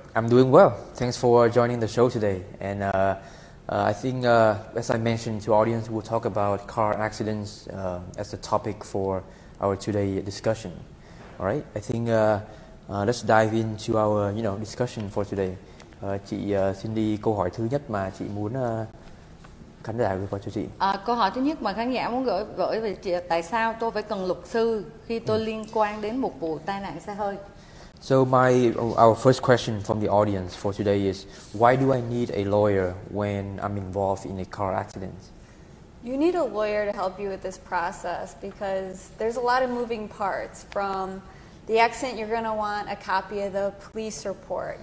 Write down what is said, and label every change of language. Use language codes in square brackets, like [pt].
[en] I'm doing well. Thanks for joining the show today. And I think, as I mentioned to audience, we'll talk about car accidents as the topic for our today discussion. All right. I think let's dive into our discussion for today. [vi] Chị xin đi câu hỏi thứ nhất mà chị muốn khán giả gửi qua cho chị. Câu hỏi thứ nhất mà khán giả muốn gửi về chị, tại sao tôi phải cần luật sư khi tôi liên quan đến một vụ tai nạn xe hơi? [en] So our first question from the audience for today is, why do I need a lawyer when I'm involved in a car accident? You need a lawyer to help you with this process because there's a lot of moving parts. From the accident, you're going to want a copy of the police report.